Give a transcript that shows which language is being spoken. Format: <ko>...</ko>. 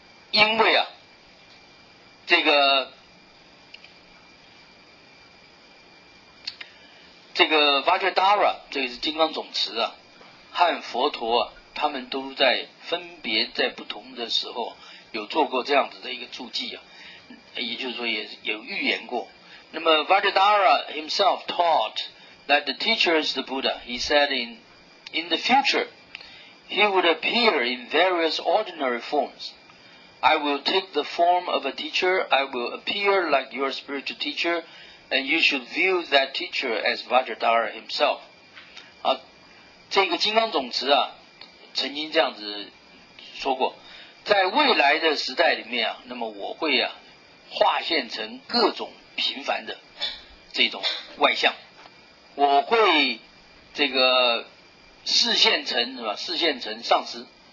<zh>因为啊，这个 Vajradhara 这个是金刚总持啊，和佛陀啊，他们都在分别在不同的时候有做过这样子的一个注记啊，也就是说也有预言过。</zh> <en>那么 Vajradhara himself taught that the teacher is the Buddha. He said in the future, he would appear in various ordinary forms. I will take the form of a teacher. I will appear like your spiritual teacher. And you should view that teacher as Vajradhara himself.</en> <zh>这个金刚总持啊，曾经这样子说过，在未来的时代里面啊，那么我会啊，化现成各种频繁的这种外相，我会这个视线成是吧？视线成上师，</zh>